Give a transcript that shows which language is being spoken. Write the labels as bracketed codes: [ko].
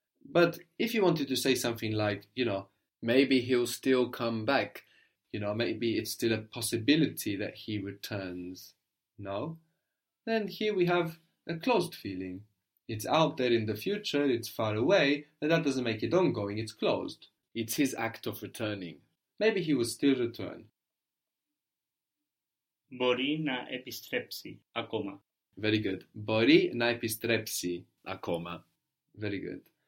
[en] But if you wanted to say something like, maybe he'll still come back, maybe it's still a possibility that he returns. No? Then here we have a closed feeling. It's out there in the future, it's far away, but that doesn't make it ongoing, it's closed. It's his act of returning. Maybe he will still return. [el] Μπορεί να επιστρέψει ακόμα. [en] Very good. [el] Μπορεί να επιστρέψει ακόμα. [en] Very good.